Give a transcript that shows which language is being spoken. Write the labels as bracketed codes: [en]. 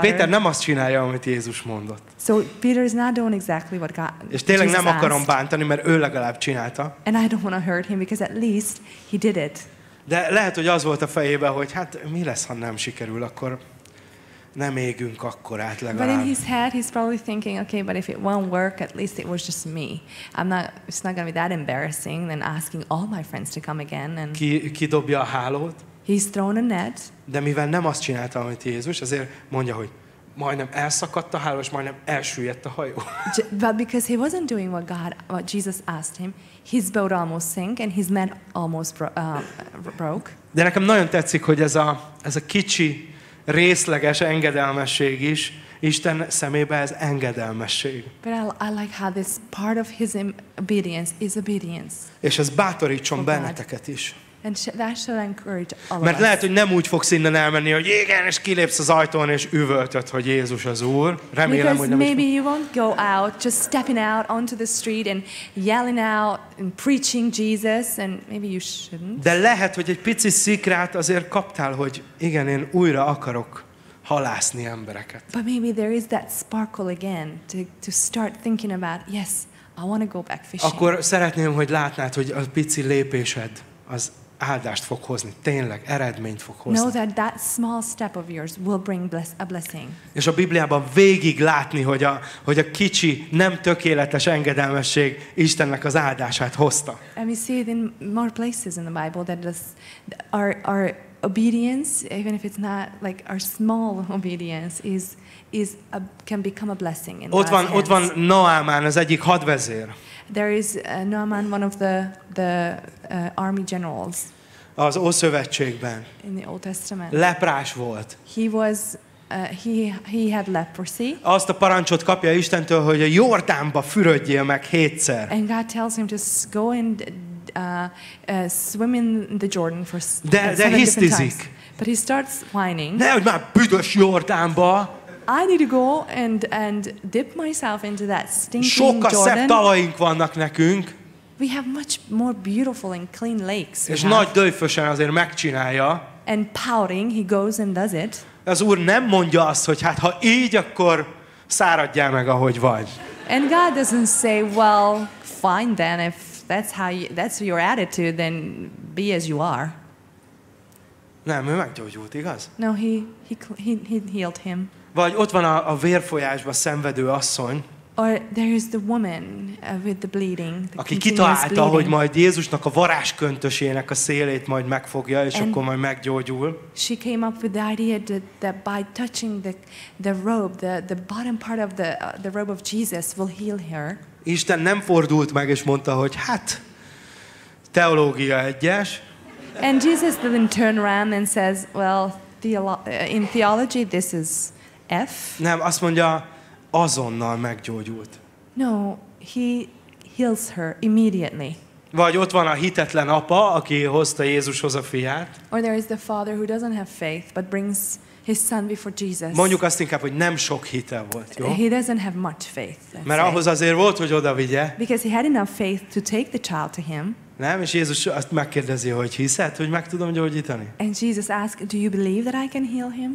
[hu] Péter nem azt csinálja, amit Jézus mondott. [en] So Peter is not doing exactly what God. [hu] És tényleg [en] Jesus [hu] nem akarom [en] asked. [hu] Bántani, mert ő legalább csinálta. [en] And I don't want to hurt him because at least he did it. [hu] De lehet, hogy az volt a fejében, hogy hát mi lesz, ha nem sikerül, akkor nem égünk akkorát legalább. [en] But in his head, he's probably thinking, okay, but if it won't work, at least it was just me. It's not going to be that embarrassing than asking all my friends to come again. And [hu] ki dobja a hálót? [en] He's thrown a net. [hu] De mivel nem azt csinálta, amit Jézus, azért mondja, hogy majdnem elszakadt a háló, és majdnem elsüllyedt a hajó. [en] But because he wasn't doing what Jesus asked him, his boat almost sank, and his net almost broke. [hu] De nekem nagyon tetszik, hogy ez a kicsi, részleges engedelmesség is Isten szemébe ez engedelmesség. [en] But I like how this part of his obedience is obedience. [hu] És ez bátorítson benneteket is. [en] And that should encourage all of us. [hu] Mert lehet, [en] us. [hu] Hogy nem úgy fogsz innen elmenni, hogy igen, és kilépsz az ajtón, és üvöltöd, hogy Jézus az Úr. Remélem, [en] because [hu] hogy nem [en] maybe you won't go out, just stepping out onto the street and yelling out and preaching Jesus, and maybe you shouldn't. [hu] De lehet, hogy egy pici szikrát azért kaptál, hogy igen, én újra akarok halászni embereket. [en] But maybe there is that sparkle again to start thinking about, yes, I want to go back fishing. [hu] Akkor szeretném, hogy látnád, hogy a pici lépésed az áldást fog hozni, tényleg eredményt fog hozni. [en] Know that that small step of yours will bring a blessing. [hu] És a Bibliában végig látni, hogy a kicsi, nem tökéletes engedelmesség Istennek az áldását hozta. [en] And we see it in more places in the Bible that our obedience, even if it's not like our small obedience, is a, can become a blessing in God's hands. [hu] Ott van Naamán, az egyik hadvezér. [en] There is Naaman, one of the army generals. [hu] Az Ószövetségben. [en] In the Old Testament. [hu] Leprás volt. [en] He was he had leprosy. [hu] Azt a parancsot kapja Istentől, hogy a Jordánba fürödjél meg hétszer. [en] And God tells him to go and swim in the Jordan for seven different times. But he starts whining. [hu] Nehogy már büdös Jordánba. [en] I need to go and dip myself into that stinking Jordan. [hu] Sokkal szebb tavaink vannak nekünk. [en] We have much more beautiful and clean lakes. [hu] És nagy döjfösen azért megcsinálja. [en] And pouting, he goes and does it. [hu] Az Úr nem mondja azt, hogy hát ha így, akkor száradjál meg, ahogy vagy. [en] And God doesn't say, well, fine then, if that's how you, that's your attitude, then be as you are. [hu] Nem, ő meggyógyult, igaz? [en] No, he healed him. [hu] Vagy ott van a vérfolyásban szenvedő asszony. [en] Or there is the woman with the bleeding. The [hu] aki kitalálta, [en] bleeding. [hu] Hogy majd Jézusnak a varázsköntösének a szélét majd megfogja, és [en] and [hu] akkor majd meggyógyul. [en] She came up with the idea that by touching the robe, the bottom part of the robe of Jesus will heal her. [hu] Isten nem fordult meg és mondta, hogy hát teológia egyes. [en] And Jesus didn't turn around and says, well, in theology this is F. [hu] Nem, azt mondja, azonnal meggyógyult. [en] No, he heals her immediately. [hu] Vagy ott van a hitetlen apa, aki hozta Jézushoz a fiát. [en] Or there is the father who doesn't have faith, but brings his son before Jesus. [hu] Mondjuk azt inkább, hogy nem sok hite volt, jó? [en] He doesn't have much faith. [hu] Mert ahhoz azért volt, hogy oda vigye. [en] Because he had enough faith to take the child to him. [hu] Nem, és Jézus azt megkérdezi, hogy hiszed, hogy meg tudom gyógyítani? [en] And Jesus asks, do you believe that I can heal him?